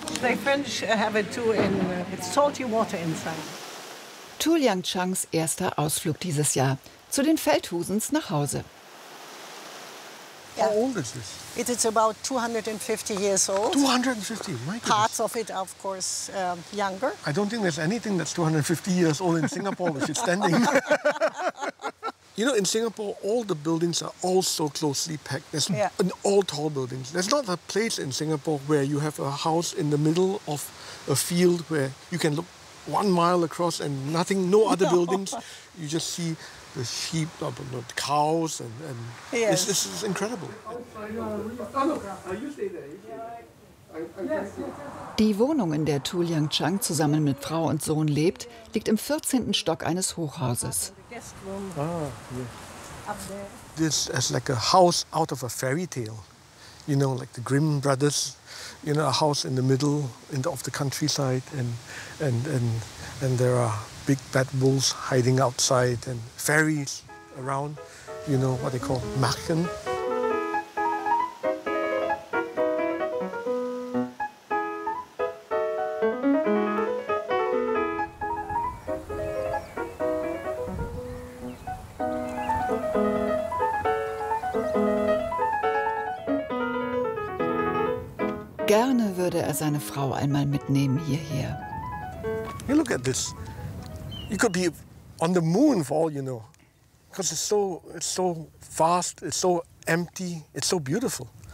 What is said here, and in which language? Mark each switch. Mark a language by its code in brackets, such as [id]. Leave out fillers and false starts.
[en] The French have it too in it's salty water inside. [de] Tu Liang Changs erster Ausflug dieses Jahr zu den Feldhusens nach Hause. [en] Yeah. How old is this? It is about 250 years old. 250, my goodness. Parts of it, of course, younger. I don't think there's anything that's 250 years old in Singapore which is standing. You know, in Singapore, all the buildings are all so closely packed. There's an all tall buildings. There's not a place in Singapore where you have a house in the middle of a field where you can look 1 mile across and nothing, no other buildings. You just see the sheep, the cows, and yes. This is incredible. [de] Die Wohnung, in der Tu Liangchang zusammen mit Frau und Sohn lebt, liegt im 14. Stock eines Hochhauses. [en] This is like a house out of a fairy tale. You know, like the Grimm brothers, you know, a house in the middle of the countryside, and there are big bad wolves hiding outside and fairies around, you know, what they call Märchen. [de] Gerne würde er seine Frau einmal mitnehmen hierher. [en] Hey, look at this. You could be on the moon for all you know. Because it's so vast, it's so empty, it's so beautiful.